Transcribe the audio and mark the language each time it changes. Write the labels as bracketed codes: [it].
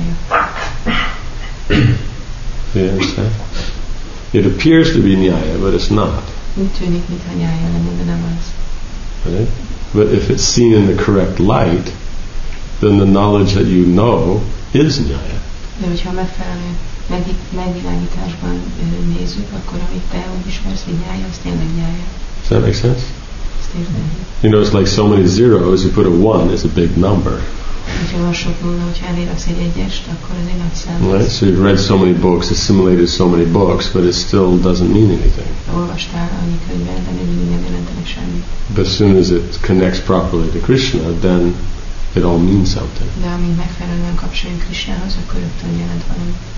[en] You understand? It appears to be nyaya, but it's not. Right? But if it's seen in the correct light, then the knowledge that you know is nyaya. [hu] De hogyha megfelelő megvilágításban nézzük, akkor amit te úgy ismersz, hogy nyaja, az tényleg nyaja. [en] Does that make sense? You know, it's like so many zeros, you put a one, it's a big number. [hu] Hogyha van sok nulla, hogyha elérsz egy egyest, akkor az egy nagy szám. [en] Right? So you've read so many books, assimilated so many books, but it still doesn't mean anything. [hu] Olvastál annyi könyvet, de még mindig nem jelentenek semmit. [en] But as soon as it connects properly to Krishna, then it all means something. [hu] De amíg megfelelően kapcsoljuk Krishnához, akkor rögtön jelent valami.